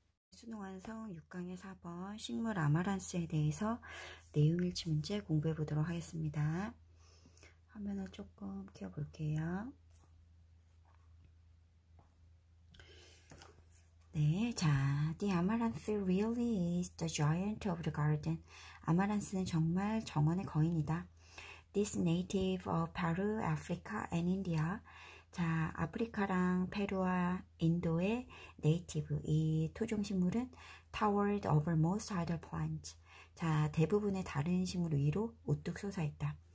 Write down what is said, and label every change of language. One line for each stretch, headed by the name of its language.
Korean: 수능완성 6강의 4번 식물 아마란스에 대해서 내용일치 문제 공부해 보도록 하겠습니다. 화면을 조금 키워볼게요.
English: 네, 자, The Amaranth really is the giant of the garden.
Korean: 아마란스는 정말 정원의 거인이다.
English: This native of Peru, Africa and India.
Korean: 자, 아프리카랑 페루와 인도의 네이티브, 이 토종식물은
English: towered over most other plants.
Korean: 자, 대부분의 다른 식물 위로 우뚝 솟아있다.